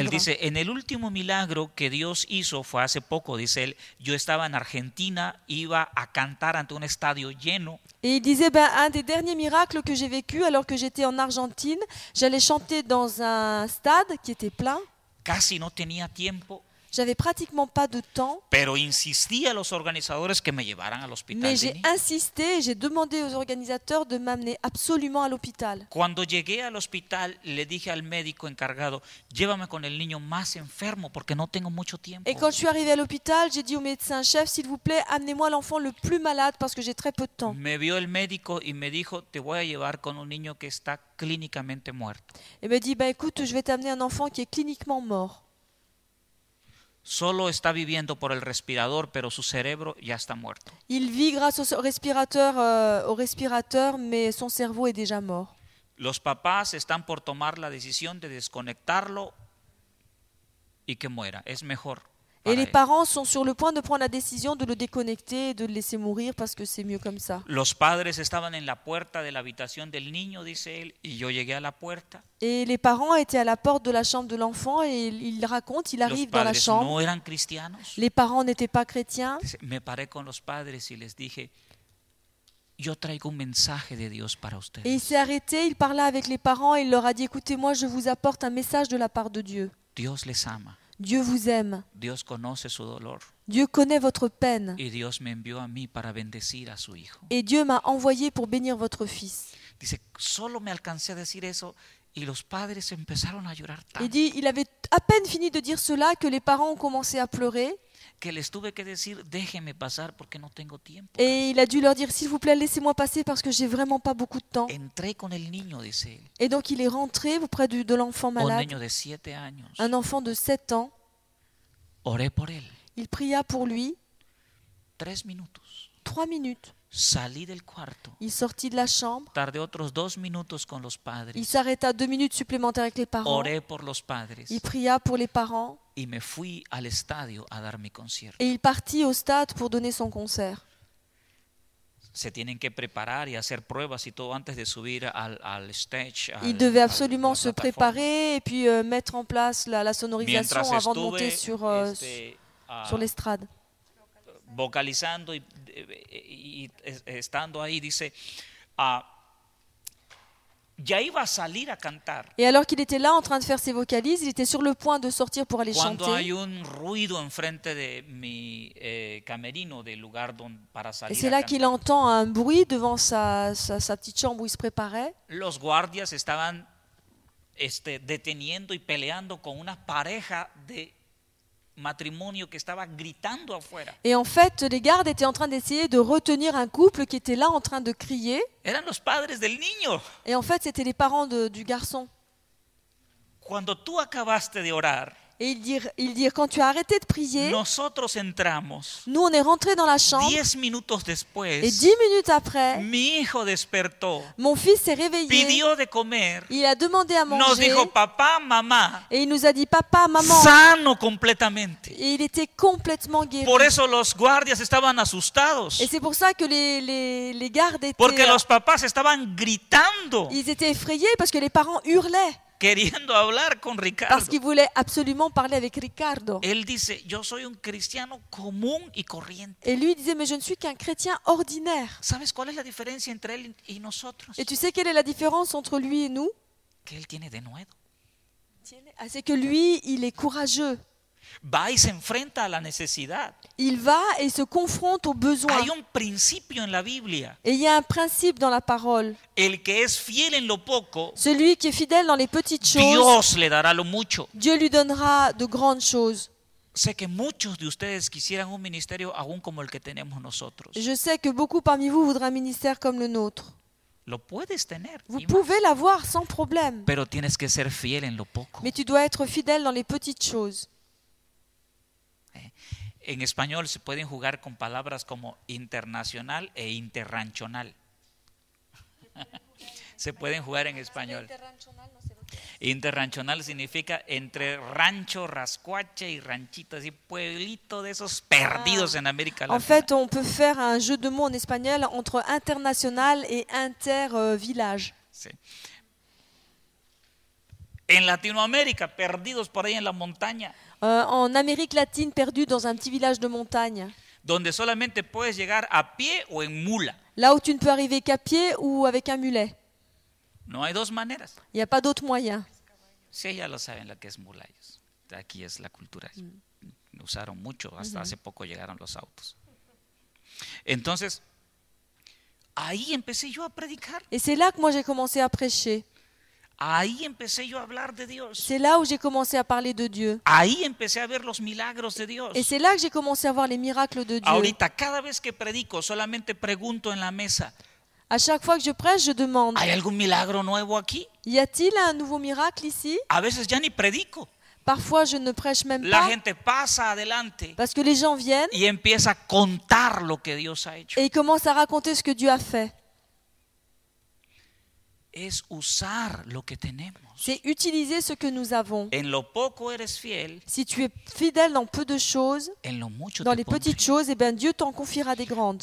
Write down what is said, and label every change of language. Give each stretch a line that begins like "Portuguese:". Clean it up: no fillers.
Spanish: Él dice, en el último milagro que Dios hizo fue hace poco, dice él, yo estaba en Argentina, iba a cantar ante un estadio lleno.
French: Et il disait, ben, un des derniers miracles que j'ai vécu alors que j'étais en Argentine, j'allais chanter dans un stade qui était plein.
Spanish: Casi no tenía tiempo.
French: J'avais pratiquement pas de temps.
Spanish: Pero insistí a los organizadores que me llevaran al hospital.
French: Mais j'ai insisté, j'ai demandé aux organisateurs de m'amener absolument à l'hôpital.
Spanish: Cuando llegué al hospital, le dije al médico encargado, llévame con el niño más enfermo porque no tengo mucho tiempo.
French: Et quand je suis arrivé à l'hôpital, j'ai dit au médecin chef, s'il vous plaît, amenez-moi l'enfant le plus malade parce que j'ai très peu de temps.
Spanish: Me vio el médico y me dijo, te voy a llevar con un niño que está clínicamente muerto.
French: Et me dit, ben écoute, je vais t'amener un enfant qui est cliniquement mort.
Spanish: Solo está viviendo por el respirador, pero su cerebro ya está muerto.
French: Il vit grâce au respirateur, mais son cerveau est déjà mort.
Spanish: Los papás están por tomar la decisión de desconectarlo y que muera. Es mejor.
French: Et les parents sont sur le point de prendre la décision de le déconnecter et de le laisser mourir parce que c'est mieux comme ça.
Spanish: Los padres estaban en la puerta de la habitación del niño, dice él, y yo llegué a la puerta.
French: Et les parents étaient à la porte de la chambre de l'enfant et il raconte, il arrive dans la chambre.
Spanish: Los padres no eran cristianos.
French: Les parents n'étaient pas chrétiens.
Spanish: Me paré con los padres y les dije, yo traigo un mensaje de Dios para ustedes.
French: Et il s'est arrêté, il parla avec les parents et il leur a dit, écoutez-moi, je vous apporte un message de la part de Dieu.
Spanish: Dios les ama.
French: Dieu vous aime.
Spanish: Dios conoce su dolor.
French: Dieu connaît votre peine.
Spanish: Y Dios me envió a mí para bendecir a su hijo.
French: Et Dieu m'a envoyé pour bénir votre fils.
Spanish: Dice, solo me alcancé a decir eso y los padres empezaron a llorar tanto.
French: Et dit, il avait à peine fini de dire cela que les parents ont commencé à pleurer.
Spanish: Que les tuve que decir, déjeme pasar porque no tengo tiempo.
French: Et il a dû leur dire, s'il vous plaît, laissez-moi passer parce que j'ai vraiment pas beaucoup de temps.
Spanish: Entré con el niño, dice él.
French: Et donc il est rentré auprès de l'enfant malade.
Spanish: Un niño de 7 años.
French: Un enfant de 7 ans.
Spanish: Oré por él.
French: Il pria pour lui.
Spanish: 3 minutos.
French: 3 minutes.
Spanish: Salí del cuarto.
French: Il sortit de la chambre.
Spanish: Tardé otros dos minutos con los padres.
French: Il s'arrêta deux minutes supplémentaires avec les parents.
Spanish: Oré por los padres.
French: Il pria pour les parents.
Spanish: Y me fui al estadio a dar mi concierto.
French: Et il partit au stade pour donner son concert.
Spanish: Se tienen que preparar y hacer pruebas y todo antes de subir al stage.
French: Il devait absolument se préparer et puis mettre en place la sonorisation avant de monter sur l'estrade.
Spanish: Vocalizando y estando ahí, dice, ya iba a salir a cantar.
French: Et alors qu'il était là en train de faire ses vocalises, il était sur le point de sortir pour aller
Spanish: Cuando
French: chanter.
Spanish: Hay un ruido enfrente de mi camerino, del lugar donde para salir.
French: Et c'est
Spanish: a
French: là
Spanish: cantar.
French: Qu'il entend un bruit devant sa petite chambre où il se préparait.
Spanish: Los guardias estaban deteniendo y peleando con una pareja de matrimonio que estaba gritando afuera.
French: Et en fait, les gardes étaient en train d'essayer de retenir un couple qui était là en train de crier.
Spanish: Eran los padres del niño.
French: Et en fait, c'était les parents du garçon.
Spanish: Cuando tú acabaste de orar,
French: et ils dirent, quand tu as arrêté de prier,
Spanish: nosotros entramos,
French: nous on est rentrés dans la chambre.
Spanish: 10 minutos después,
French: et 10 minutes après,
Spanish: mi hijo despertó,
French: mon fils s'est réveillé.
Spanish: Pidió de comer,
French: il a demandé à manger.
Spanish: Nos dijo, papá, mamá,
French: et il nous a dit papa, maman.
Spanish: Sano completamente.
French: Et il était complètement guéri.
Spanish: Por eso los guardias estaban asustados,
French: et c'est pour ça que les gardes étaient.
Spanish: Porque los papás estaban gritando.
French: Ils étaient effrayés parce que les parents hurlaient.
Spanish: Queriendo hablar con Ricardo.
French: Parce qu'il voulait absolument parler avec Ricardo.
Spanish: Él dice, yo soy un cristiano común y corriente.
French: Et lui disait, mais je ne suis qu'un chrétien ordinaire.
Spanish: ¿Sabes cuál es la diferencia entre él y nosotros?
French: Et tu sais quelle est la différence entre lui et nous?
Spanish: Que él tiene de nuevo.
French: C'est que lui, il est courageux.
Spanish: Va y se enfrenta a la necesidad.
French: Il va et se confronte aux besoins.
Spanish: Hay un principio en la Biblia.
French: Et il y a un principe dans la parole.
Spanish: El que es fiel en lo poco,
French: celui qui est fidèle dans les petites choses,
Spanish: Dios le dará lo mucho.
French: Dieu lui donnera de grandes choses.
Spanish: Sé que muchos de ustedes quisieran un ministerio aún como el que tenemos nosotros.
French: Je sais que beaucoup parmi vous voudraient un ministère comme le nôtre.
Spanish: Lo puedes tener.
French: Vous pouvez l'avoir sans problème.
Spanish: Pero tienes que ser fiel en lo poco.
French: Mais tu dois être fidèle dans les petites choses.
Spanish: En español se pueden jugar con palabras como internacional e interranchonal. Se pueden jugar en español. Interranchonal significa entre rancho, rascuache y ranchito, así pueblito de esos perdidos en América Latina.
French: En fait, on peut faire un jeu de mots en español entre international et inter-village.
Spanish: Sí. En Latinoamérica, perdidos por ahí en la montaña.
French: En Amérique latine, perdu dans un petit village de montagne.
Spanish: Donde solamente puedes llegar a pie o en mula.
French: Là où tu ne peux arriver qu'à pied ou avec un mulet.
Spanish: No hay dos maneras.
French: Il n'y a pas d'autre moyen.
Spanish: Sí, ya lo saben lo que es mula. Aquí es la cultura. Mm. Usaron mucho, hasta hace poco llegaron los autos. Entonces, ahí empecé yo a predicar.
French: Et c'est là que moi j'ai commencé à prêcher.
Spanish: Ahí empecé yo a hablar de Dios.
French: C'est là où j'ai commencé à parler de Dieu.
Spanish: Ahí empecé a ver los milagros de Dios.
French: Et c'est là que j'ai commencé à voir les miracles de Dieu.
Spanish: Ahorita, cada vez que predico, solamente pregunto en la mesa.
French: À chaque fois que je prêche, je demande.
Spanish: ¿Hay algún milagro nuevo aquí?
French: Y a-t-il un nouveau miracle ici?
Spanish: A veces ya ni predico.
French: Parfois, je ne prêche même pas.
Spanish: La gente pasa adelante.
French: Parce que les gens viennent.
Spanish: Y empieza a contar lo que Dios ha hecho.
French: Et ils commencent à raconter ce que Dieu a fait.
Spanish: Es usar lo que tenemos.
French: C'est utiliser ce que nous avons.
Spanish: En lo poco eres fiel,
French: si tu es fidèle dans peu de choses,
Spanish: en lo mucho
French: dans les petites choses, et bien Dieu t'en confiera des grandes.